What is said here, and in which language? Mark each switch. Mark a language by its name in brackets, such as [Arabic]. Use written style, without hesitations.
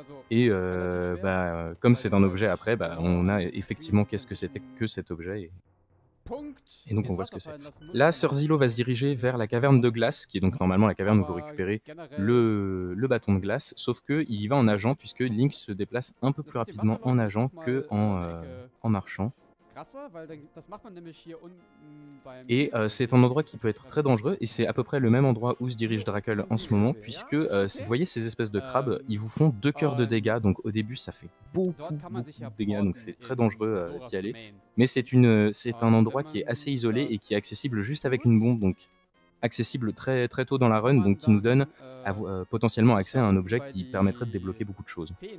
[French] Et comme c'est un objet après, on a effectivement qu'est-ce que c'était que cet objet. Et donc on voit ce que c'est. Là, Sir Zilo va se diriger vers la caverne de glace, qui est donc normalement la caverne où vous récupérez le bâton de glace, sauf qu'il y va en nageant, puisque Link se déplace un peu plus rapidement en nageant qu'en marchant. [German] krasser, weil dann, das macht man nämlich hier unten beim... [French] Et c'est un endroit qui peut être très dangereux, et c'est à peu près le même endroit où se dirige Drakkul en ce moment, puisque, vous voyez ces espèces de crabes, ils vous font 2 cœurs de dégâts, donc au début ça fait beaucoup de dégâts, donc c'est très dangereux d'y aller. Mais c'est un endroit qui est assez isolé et qui est accessible juste avec une bombe, donc accessible très, très tôt dans la run, donc qui nous donne potentiellement accès à un objet qui permettrait de débloquer beaucoup de choses.